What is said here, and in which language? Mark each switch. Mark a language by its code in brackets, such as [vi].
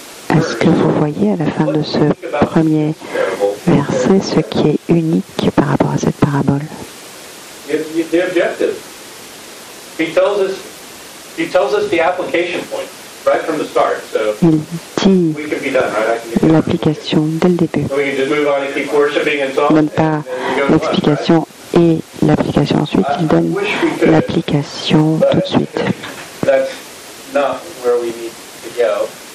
[fr] Est-ce que vous voyez à la fin de ce premier verset ce qui est unique par rapport à cette parabole? [en] The objective. He tells us the application point right from the start. So [fr] il dit [en] we can be done, right? [fr] L'application dès le début. [en] We can just move on and keep worshiping and song. [fr] Donne pas l'explication et l'application ensuite. Il donne l'application tout de suite. [en] That's not where we need to go.